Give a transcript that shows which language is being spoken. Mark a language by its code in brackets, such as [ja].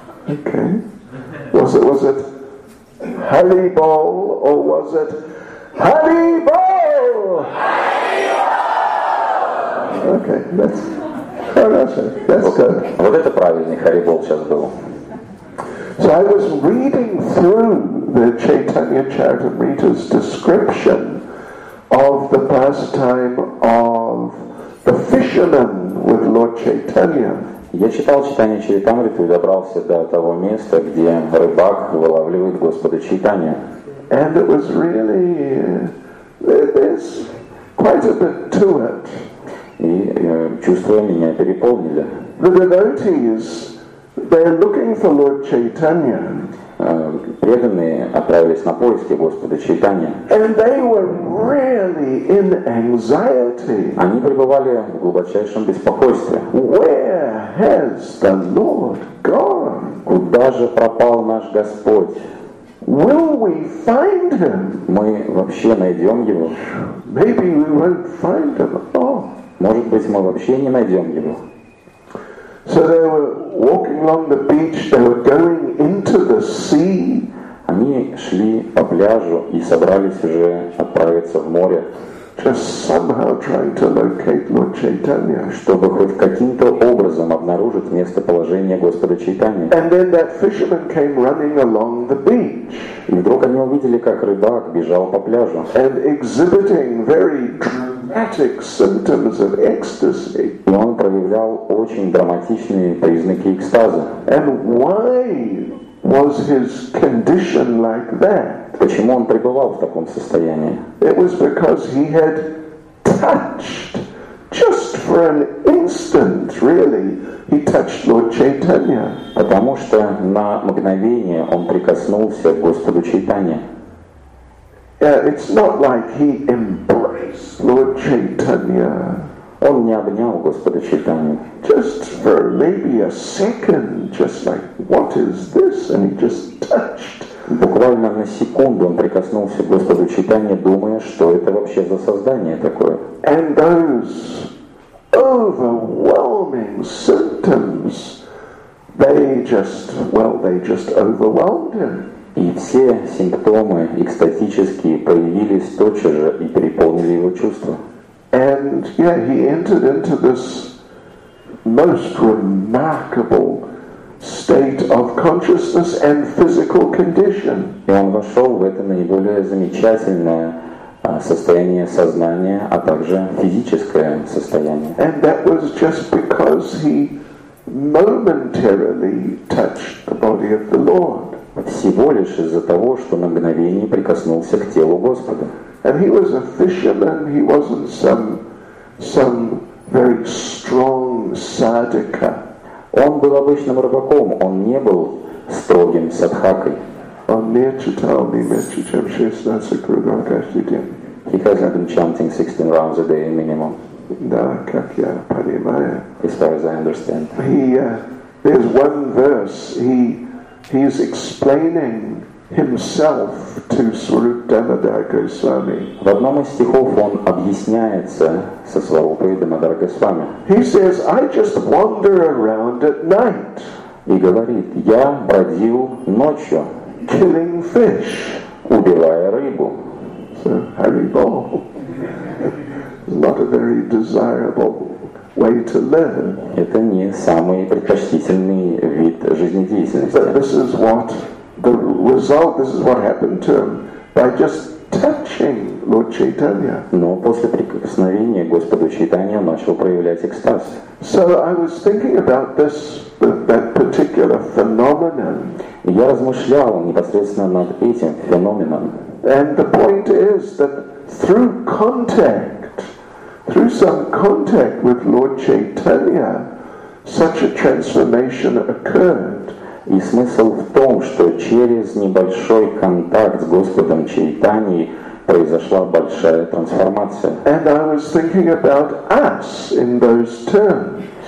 [en] Okay. Was it Hare Bol or was it Hare Bol? Hare Bol! Okay, that's... Вот [ru] это правильный харибол сейчас был. [en] So I was reading through the Chaitanya Charitamrita's description of the pastime of the fisherman with Lord Chaitanya. [ru] Я читал Чайтанья Чаритамриту и добрался до того места, где рыбак вылавливает Господа Чайтанья. [en] And it was really there's quite a bit to it. [ru] И чувства меня переполнили. [en] The devotees, they're looking for Lord Chaitanya. [ru] Преданные отправились на поиски Господа Чайтанья. [en] And they were really in anxiety. [ru] Они пребывали в глубочайшем беспокойстве. [en] Where has the Lord gone? [ru] Куда же пропал наш Господь? [en] Will we find him? [ru] Мы вообще найдем его? [en] Maybe we won't find him. Oh. [ru] Может быть, мы вообще не найдем его. [en] So they were walking along the beach, they were going into the sea. [ru] Они шли по пляжу и собрались уже отправиться в море. [en] Just somehow trying to locate Lord Chaitanya. [ru] Чтобы хоть каким-то образом обнаружить местоположение Господа Чайтаньи. [en] And then that fisherman came running along the beach. [ru] И вдруг они увидели, как рыбак бежал по пляжу. [en] And exhibiting very dramatic symptoms of ecstasy. [ru] И он проявлял очень драматичные признаки экстаза. [en] And why was his condition like that? [ru] Почему он пребывал в таком состоянии? [en] It was because he had touched, just for an instant, really, he touched Lord Chaitanya. [ru] Потому что на мгновение он прикоснулся к Господу Чайтанье. [en] Yeah, it's not like he embraced Lord Chaitanya. [ru] Он не обнял Господа Чайтанью. [en] Just for maybe a second, just like, what is this? And he just touched. [ru] Буквально на секунду он прикоснулся к Господу Чайтанье, думая, что это вообще за создание такое. [en] And those overwhelming symptoms. They just overwhelmed him. [ru] И все симптомы экстатические появились тотчас же и переполнили его чувства. [en] And yeah, he entered into this most remarkable state of consciousness and physical condition. [ru] И он вошел в это наиболее замечательное состояние сознания, а также физическое состояние. [en] And that was just because he momentarily touched the body of the Lord. [ru] Всего лишь из-за того, что на мгновение прикоснулся к телу Господа. [en] And he was a fisherman. He wasn't some very strong sadhaka. [ru] Он был обычным рыбаком, он не был строгим садхакой. Он не читал ни меньше, чем 16 кругов каждый день. [en] He hasn't been chanting 16 rounds a day minimum. [ru] Да, как я понимаю. [en] As far as I understand. There's one verse. He's explaining himself to Swarup Damodar Goswami. [ru] В одном из стихов он объясняется со Сварупой Дамодар Госвами. [en] He says, I just wander around at night. [ru] И говорит, я бродил ночью. [en] Killing fish. [ru] Убивая рыбу. [en] So, Harry Ball. Not a very desirable way to live. [ru] Это не самый предпочтительный вид жизнедеятельности. [en] But this is what the result, this is what happened to him by just touching Lord Chaitanya. [ru] Но после прикосновения Господу Чайтанья начал проявлять экстаз. [en] So I was thinking about this, that particular phenomenon. [ru] Я размышлял непосредственно над этим феноменом. [en] And the point is that through some contact with Lord Chaitanya, such a transformation occurred. [ru] И смысл в том, что через небольшой контакт с Господом Чайтаньей произошла большая трансформация. [en] And I was thinking about us in those terms.